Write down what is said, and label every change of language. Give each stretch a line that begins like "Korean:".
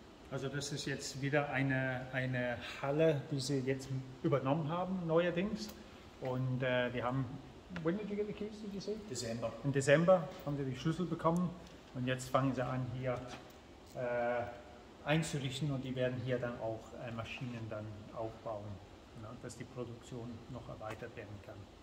German: Also das ist jetzt wieder eine Halle, die sie jetzt übernommen haben, neuerdings. Und wir haben,
English: when did you get the keys, did you say? December.
German: In December haben sie die Schlüssel bekommen und jetzt fangen sie an hier einzurichten und die werden hier dann auch Maschinen dann aufbauen, ne, dass die Produktion noch erweitert werden kann.